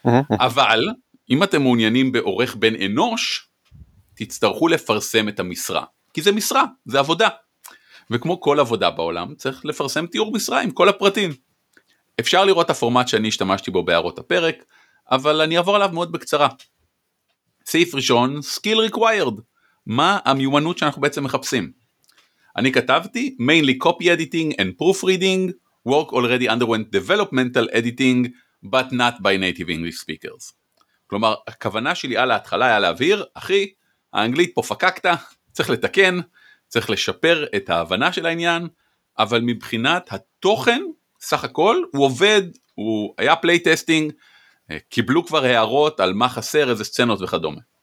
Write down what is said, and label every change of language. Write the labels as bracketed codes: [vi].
[he] אבל אם אתם מעוניינים בעורך בן אנוש, תצטרכו לפרסם את המשרה, כי זה משרה, זה עבודה, וכמו כל עבודה בעולם צריך לפרסם תיאור משרה עם כל הפרטים. אפשר לראות הפורמט שאני השתמשתי בו בהערות הפרק, אבל אני אעבור עליו מאוד בקצרה. סעיף ראשון, [en] skill required, [he] מה המיומנות שאנחנו בעצם מחפשים. אני כתבתי [en] mainly copy editing and proofreading, work already underwent developmental editing but not by native English speakers. [he] כלומר, הכוונה שלי על ההתחלה היה להבהיר, אחי, האנגלית פה פקקת, צריך לתקן, צריך לשפר את ההבנה של העניין, אבל מבחינת התוכן, סך הכל, הוא עובד, הוא היה פלייטסטינג, קיבלו כבר הערות על מה חסר, איזה סצנות וכדומה.